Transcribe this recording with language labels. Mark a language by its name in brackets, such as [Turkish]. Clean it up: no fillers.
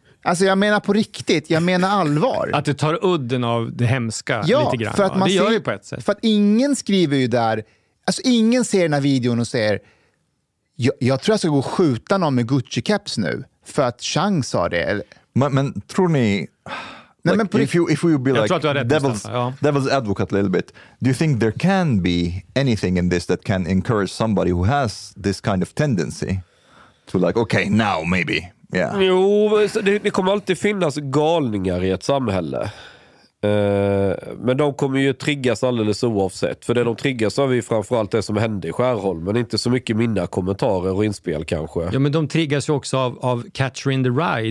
[Swedish] Alltså jag menar på riktigt, jag menar allvar. Att du tar udden av det hemska, ja, lite grann. För att man, det gör ju på ett sätt. För att ingen skriver ju där, alltså ingen ser den här videon och säger, jag tror jag ska gå och skjuta någon med Gucci-caps nu, för att Chang sa det. Men tror ni... [English] Like, devil's advocate a little bit, do you think there can be anything in this that can encourage somebody who has this kind of tendency to like, okay, now maybe, yeah. [Swedish] Jo, det kommer alltid finnas galningar i ett samhälle. Men de kommer ju triggas alldeles oavsett. För det de triggas av är ju framförallt det som hände i Skärholm. Men inte så mycket mina kommentarer och inspel kanske. Ja, men de triggas ju också av Catcher in the Rye.